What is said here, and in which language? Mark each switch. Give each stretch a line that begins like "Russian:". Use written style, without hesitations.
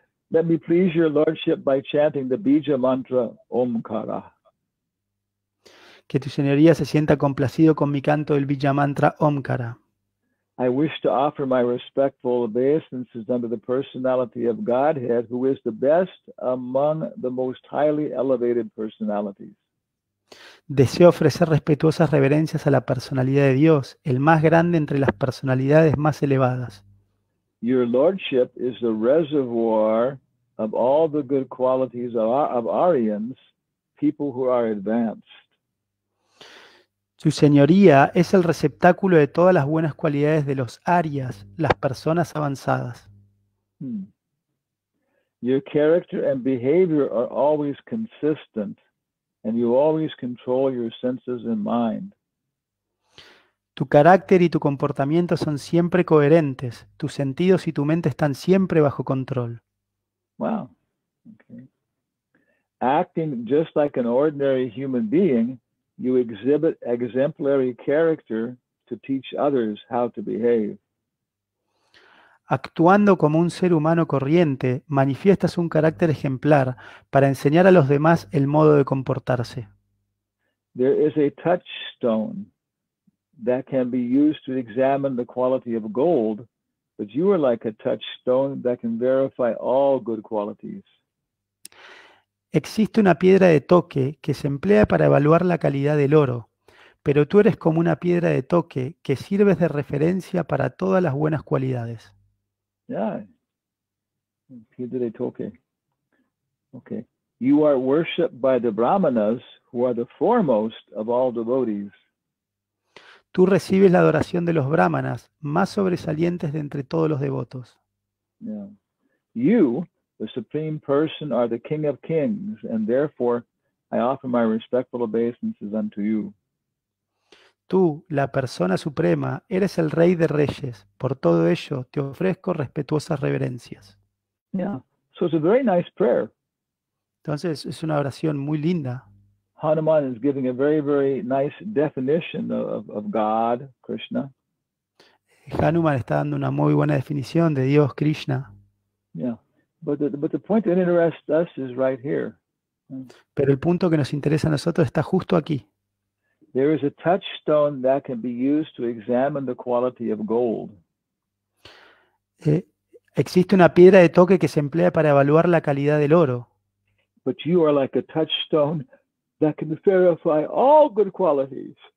English: Let me please your lordship by chanting the Bija mantra Omkara.
Spanish: Que tu señoría se sienta complacido con mi canto del Bija mantra Omkara.
English: I wish to offer my respectful obeisances under the personality of Godhead, who is the best among the most highly elevated personalities.
Spanish: Deseo ofrecer respetuosas reverencias a la personalidad de Dios, el más grande entre las personalidades más elevadas.
English: Your lordship is the reservoir of all the good qualities of Aryans, people who are advanced.
Spanish: Su señoría es el receptáculo de todas las buenas cualidades de los Aryas, las personas avanzadas.
English: Your character and behavior are always consistent, and you always control your senses and mind.
Spanish: Tu carácter y tu comportamiento son siempre coherentes. Tus sentidos y tu mente están siempre bajo control.
English: Wow. Okay. Acting just like an ordinary human being, you exhibit exemplary character to teach others how to behave.
Spanish: Actuando como un ser humano corriente, manifiestas un carácter ejemplar para enseñar a los demás el modo de comportarse.
English: There is a touchstone that can be used to examine the quality of gold, but you are like a touchstone that can verify all good qualities.
Spanish: Existe una piedra de toque que se emplea para evaluar la calidad del oro, pero tú eres como una piedra de toque que sirves de referencia para todas las buenas cualidades.
English: Yeah.
Spanish: Piedra de toque.
English: Okay. You are worshipped by the Brahmanas, who are the foremost of all devotees.
Spanish: Tú recibes la adoración de los brahmanas, más sobresalientes de entre todos los devotos.
English: Yeah. You, the Supreme Person, are the King of Kings, and therefore I offer my respectful obeisances unto you.
Spanish: Tú, la persona suprema, eres el Rey de Reyes. Por todo ello, te ofrezco respetuosas reverencias.
English: Yeah. So it's a very nice prayer.
Spanish: Entonces, es una oración muy linda.
English: Hanuman is giving a very, very nice definition of God, Krishna.
Spanish: Hanuman está dando una muy buena definición de Dios, Krishna.
English: Yeah, but the point that interests us is right here.
Spanish: Pero el punto que nos interesa a nosotros está justo aquí.
English: There is a touchstone that can be used to examine the quality of gold.
Spanish: Existe una piedra de toque que se emplea para evaluar la calidad del oro.
English: But you are like a touchstone that can verify all good qualities.